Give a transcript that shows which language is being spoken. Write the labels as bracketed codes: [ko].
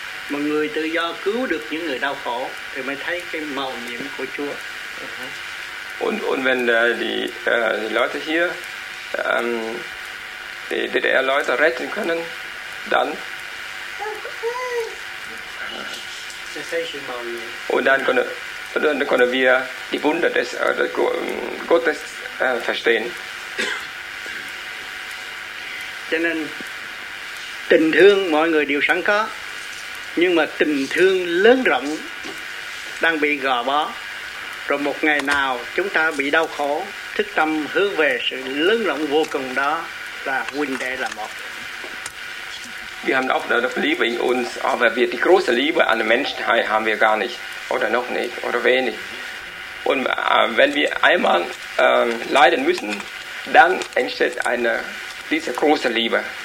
[vi] Mà người tự do cứu được những người đau khổ thì mới thấy cái màu nhiệm của Chúa. [de] Und wenn die Leute hier die DDR Leute retten können, dann und dann können wir die Wunder des Gottes verstehen. [vi] Cho nên tình thương mọi người đều sẵn có, nhưng mà tình thương lớn rộng đang bị gò bó. Rồi một ngày nào chúng ta bị đau khổ, thức tâm hướng về sự lớn rộng vô cùng đó là huynh đệ là một. [de] Wir haben auch noch Liebe in uns, aber wir die große Liebe an den Menschen haben wir gar nicht oder noch nicht oder wenig. Und wenn wir einmal leiden müssen, dann entsteht eine diese große Liebe.